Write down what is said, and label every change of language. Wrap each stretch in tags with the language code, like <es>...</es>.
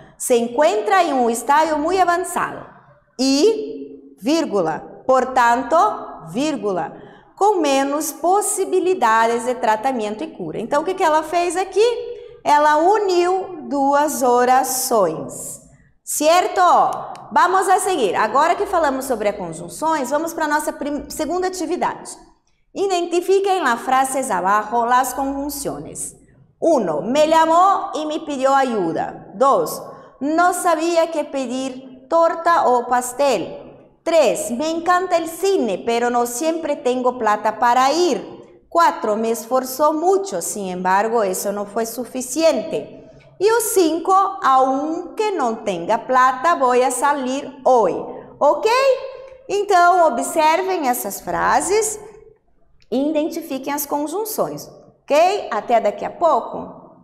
<pt>Se encontra em um estágio muito avançado. E, vírgula, portanto, vírgula, com menos possibilidades de tratamento e cura. Então, o que que ela fez aqui? Ela uniu duas orações. Certo? Vamos a seguir. Agora que falamos sobre as conjunções, vamos para a nossa segunda atividade.</pt> <es>Identifiquem las frases abajo, las conjunciones. 1. Me llamó y me pidió ayuda. 2. No sabía qué pedir, torta o pastel. 3. Me encanta el cine, pero no siempre tengo plata para ir. 4. Me esforzó mucho, sin embargo, eso no fue suficiente.</es> <pt>E os 5, aunque não tenha plata, vou a salir hoje. Ok? Então, observem essas frases e identifiquem as conjunções. Ok? Até daqui a pouco.</pt>